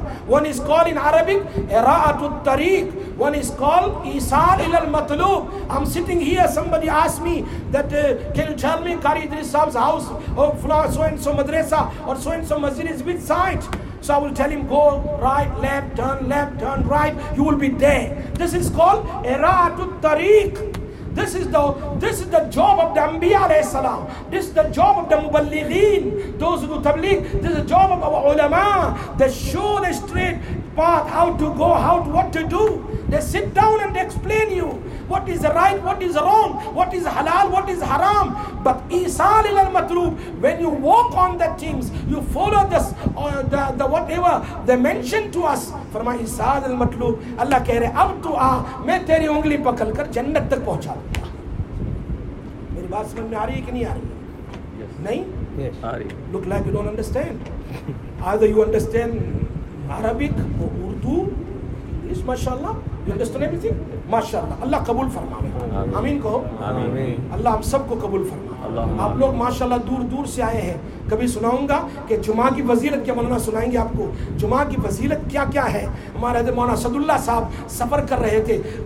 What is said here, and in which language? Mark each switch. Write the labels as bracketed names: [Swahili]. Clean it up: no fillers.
[English] one is called in Arabic ira'atut tariq one is called isar ila al matlub I'm sitting here somebody asked me that can you tell me Qari Idris Sahab's house or floor so and so madrasa or so and so masjid is which side so I will tell him go left turn right you will be there this is called ira'atut tariq This is the job of the Anbiya alayhi salam. This is the job of the Muballighin, those who do tabligh. This is the job of our ulama. They show the straight path, how to go, what to do. They sit down and explain you what is right, what is wrong, what is halal, what is haram. But isal ilal matlub, when you walk on the things, you follow this the whatever they mention to us. [Urdu] فرما اسال المطلوب اللہ کہہ رہے اب تو آ میں تیری انگلی پکڑ کر جنت تک پہنچا دوں میری بات سمجھ میں آ رہی ہے کہ نہیں آ رہی ہے نہیں [English] look like you don't understand either you understand Arabic اور Urdu English ماشاء اللہ you understand everything [Urdu] ماشاء اللہ اللہ قبول فرمائے آمین کہو اللہ ہم سب کو قبول فرمائے آپ لوگ ماشاء اللہ دور دور سے آئے ہیں کبھی سناؤں گا کہ جمعہ کی فضیلت کیا مولانا سنائیں گے آپ کو جمعہ کی فضیلت کیا کیا ہے ہمارے حضرت مولانا سعد اللہ صاحب سفر کر رہے تھے